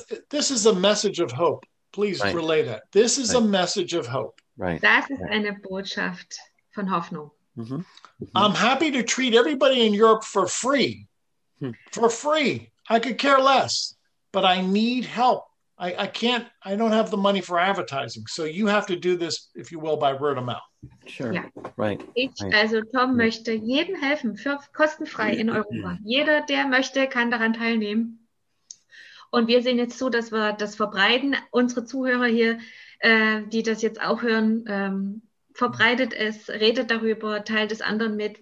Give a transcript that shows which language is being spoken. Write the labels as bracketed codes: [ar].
[en] This is a message of hope. Please relay that. This is a message of hope. Right. [de] Das ist eine Botschaft von Hoffnung. Mm-hmm. Mm-hmm. [en] I'm happy to treat everybody in Europe for free. For free, I could care less. But I need help. I can't. I don't have the money for advertising. So you have to do this, if you will, by word of mouth. Sure. Yeah. Right. [de] Tom möchte jedem helfen für kostenfrei in Europa. Jeder, der möchte, kann daran teilnehmen. Und wir sehen jetzt zu, dass wir das verbreiten. Unsere Zuhörer hier, die das jetzt auch hören, verbreitet es, redet darüber, teilt es anderen mit.